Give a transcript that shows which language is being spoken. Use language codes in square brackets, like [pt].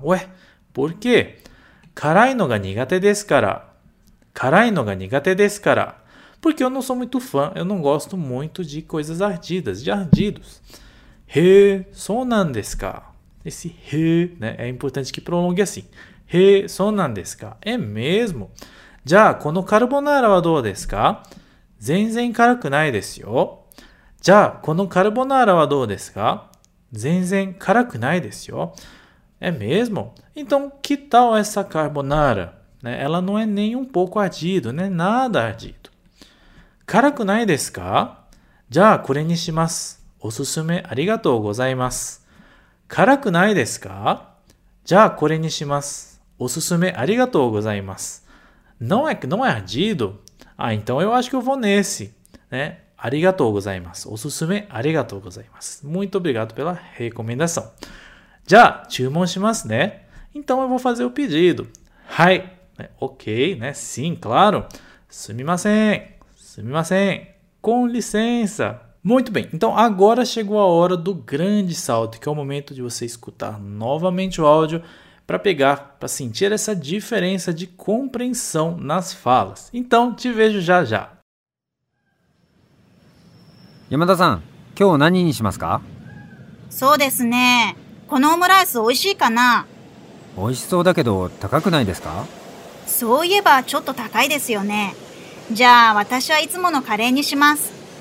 [pt] Ué, por quê? [ja] Karai no ga nigate desu kara. Karai no ga nigate desu kara. [pt] Porque eu não sou muito fã, eu não gosto muito de coisas ardidas, de ardidos. [ja] He, sou nan desu ka? [pt] Esse he, né, é importante que prolongue assim. [ja] へえ、そうなんですか。え、mesmo。じゃあ、このカルボナーラはどうですか。全然辛くないですよ。じゃあ、このカルボナーラはどうですか。全然辛くないですよ。え、mesmo。 [pt] Então, que tal essa carbonara? Né? Ela não é nem um pouco ardido, né? Nada ardido. [ja] 辛くないですか。じゃあ、これにします。おすすめありがとうございます。辛くないですか。じゃあこれにします。おすすめありがとうございます。 [pt] Não é ardido? Ah, então eu acho que eu vou nesse. Né? [ja] ありがとうございます。おすすめありがとうございます。 [pt] Muito obrigado pela recomendação. [ja] じゃあ注文しますね。 [pt] Então eu vou fazer o pedido. はい。Ok, né? Sim, claro. [ja] すみません。すみません。 [pt] Com licença. Muito bem, então agora chegou a hora do grande salto, que é o momento de você escutar novamente o áudio para pegar, para sentir essa diferença de compreensão nas falas. Então, te vejo já já. [ja] Yamada-san, 今日何にしますか? そうですね。このオムライス美味しいかな? 美味しそうだけど高くないですか? そういえばちょっと高いですよね。じゃあ私はいつものカレーにします。